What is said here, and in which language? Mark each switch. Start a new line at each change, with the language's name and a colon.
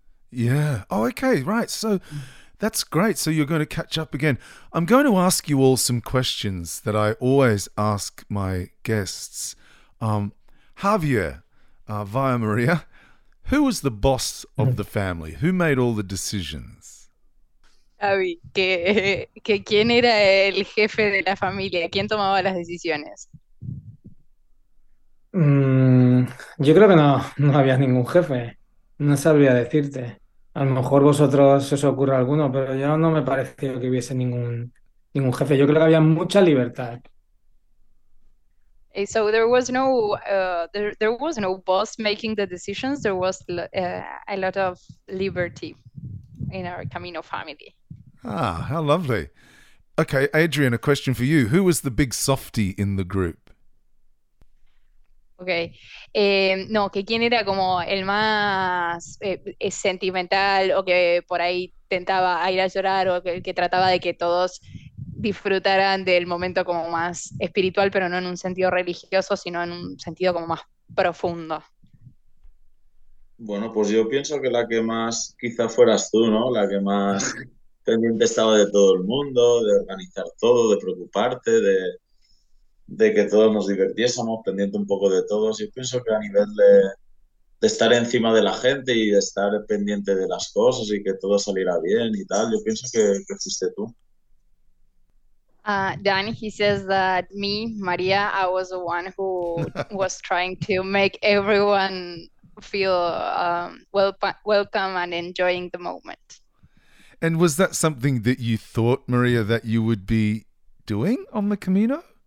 English: Yeah. Oh, okay. Right. So that's great. So you're going to catch up again. I'm going to ask you all some questions that I always ask my guests. Javier, via Maria, who was the boss of the family? Who made all the decisions?
Spanish: Javi, que quién era el jefe de la familia? ¿Quién tomaba las decisiones? Yo creo que no había ningún jefe, no sabría decirte. A lo mejor vosotros os ocurre alguno, pero yo no me pareció que hubiese ningún Ningún jefe. Yo creo que había mucha libertad.
English: So there was no there was no boss making the decisions. There was a lot of liberty in our Camino family. Ah, how lovely. Okay, Adrian, a question for you. Who was the big softy in the group? Okay.
Spanish: No, que quién era como el más sentimental o que por ahí tentaba a ir a llorar o que trataba de que todos disfrutaran del momento como más espiritual, pero no en un sentido religioso, sino en un sentido como más profundo. Bueno, pues yo pienso que la que más quizá fueras tú, ¿no? La que más pendiente estaba de todo el mundo, de organizar todo, de preocuparte, de que todos nos divirtiésemos, pendiente un poco de todos. Yo pienso que a nivel de estar encima de la gente y de estar pendiente de las cosas y que todo saliera bien y tal, yo pienso que fuiste tú.
English: Dan, he says that me, María, I was the one who was trying to make everyone feel welcome and enjoying the moment. And was that something that you thought, María, that you would be doing on the Camino?